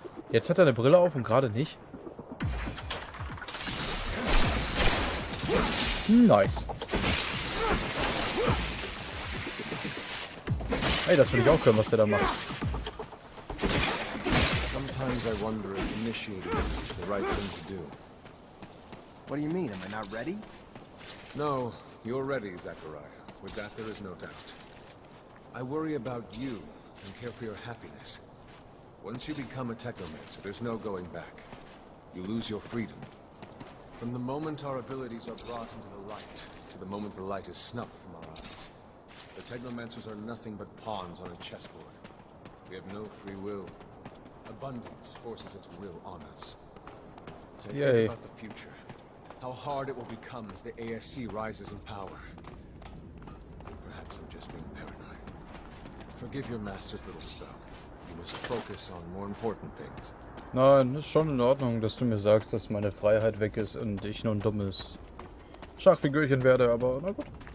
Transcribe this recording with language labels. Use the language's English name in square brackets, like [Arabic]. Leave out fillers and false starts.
[German] Jetzt hat er eine Brille auf und gerade nicht. [English] Nice. [German] Hey, das will ich auch hören, was der da macht. [English] Sometimes I wonder if initiating is the right thing to do. What do you mean? Am I not ready? No. You're ready, Zachariah. With that, there is no doubt. I worry about you and care for your happiness. Once you become a technomancer, there's no going back. You lose your freedom. From the moment our abilities are brought into the light, to the moment the light is snuffed from our eyes, the technomancers are nothing but pawns on a chessboard. We have no free will. Abundance forces its will on us. I think about the future. How hard it will become as the ASC rises in power. Perhaps I'm just being paranoid. Forgive your master's little stone. You must focus on more important things. [German] Nein, ist schon in Ordnung, dass du mir sagst, dass meine Freiheit weg ist und ich nur ein dummes Schachfigürchen werde, aber na gut.